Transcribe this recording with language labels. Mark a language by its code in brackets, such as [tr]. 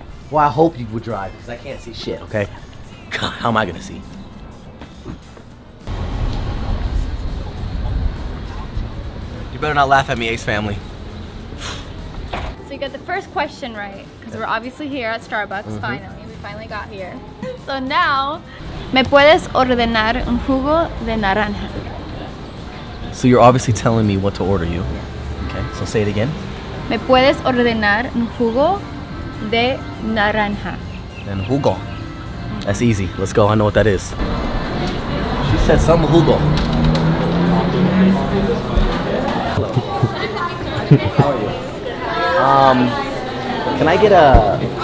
[en] Well, I hope you would drive because I can't see shit, okay? God, how am I gonna see? You better not laugh at me, Ace family. So you got the first question right because yeah. We're obviously here at Starbucks. Mm-hmm. Finally, we finally got here. [es] So now, ¿me puedes ordenar un jugo de naranja? [en] So you're obviously telling me what to order you. Okay, so say it again. [es] ¿Me puedes ordenar un jugo de naranja? Un jugo. [en] That's easy. Let's go. I know what that is. She said some jugo. How are you? Can I get a...